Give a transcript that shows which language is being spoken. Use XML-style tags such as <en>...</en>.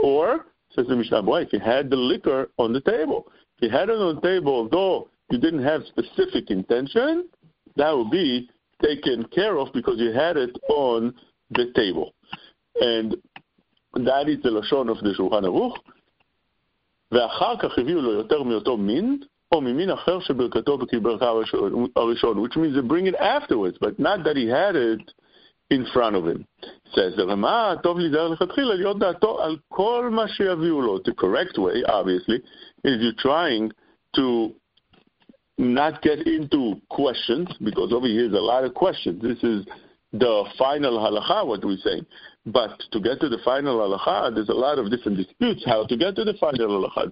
<en>Or, says the Mishnah Berurah, if he had the liquor on the table, if he had it on the table, though you didn't have specific intention, that would be taken care of because you had it on the table. And that is the Lashon of the Shulchan Aruch.</en> <he>ואחר כך הביאו לו יותר מאותו מין, או ממין אחר שברכתו בברכה הראשון,</he> <en>which means they bring it afterwards, but not that he had it in front of him. Says the Rama,</en> <he>טוב להיזהר לכתחילה, להיות דעתו על כל מה שיביאו לו.</he> <en>The correct way, obviously, is you're trying to not get into questions, because over here is a lot of questions. This is the final halakha, what we say. But to get to the final halakha, there's a lot of different disputes how to get to the final halakha.</en>